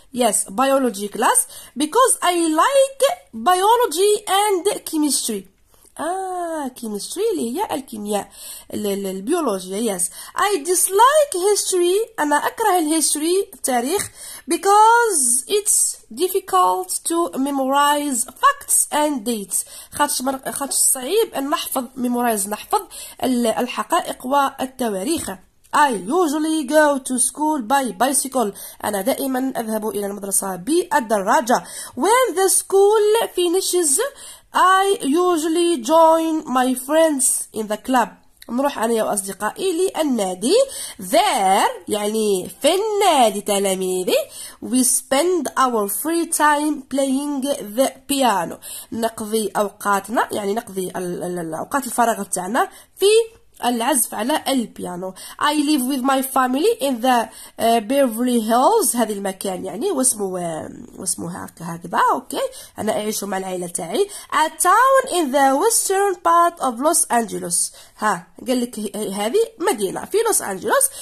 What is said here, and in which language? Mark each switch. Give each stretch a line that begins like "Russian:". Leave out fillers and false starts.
English: Yes, biology class because I like biology and chemistry.
Arabic: كيمستري اللي هي الكيمياء البيولوجيا.
English: yes I dislike history.
Arabic: انا اكره الهيستوري التاريخ
English: because it's difficult to memorize facts and dates.
Arabic: خاطش صعيب ان نحفظ نحفظ الحقائق والتواريخ.
English: I usually go to school by bicycle.
Arabic: انا دائما اذهب الى المدرسه بالدراجه.
English: When the school finishes I usually join my friends in the club.
Arabic: نروح أنا وأصدقائي للنادي.
English: There
Arabic: يعني في النادي تلاميذي.
English: We spend our free time playing the piano.
Arabic: نقضي أوقاتنا، يعني نقضي الأوقات الفراغ تاعنا في العزف على البيانو.
English: I live with my family in the Beverly Hills.
Arabic: هذه المكان يعني واسمها هكذا. اوكي انا اعيش مع العائله تاعي.
English: A town in the western part of Los Angeles.
Arabic: ها قال لك هذه مدينه في لوس انجلوس.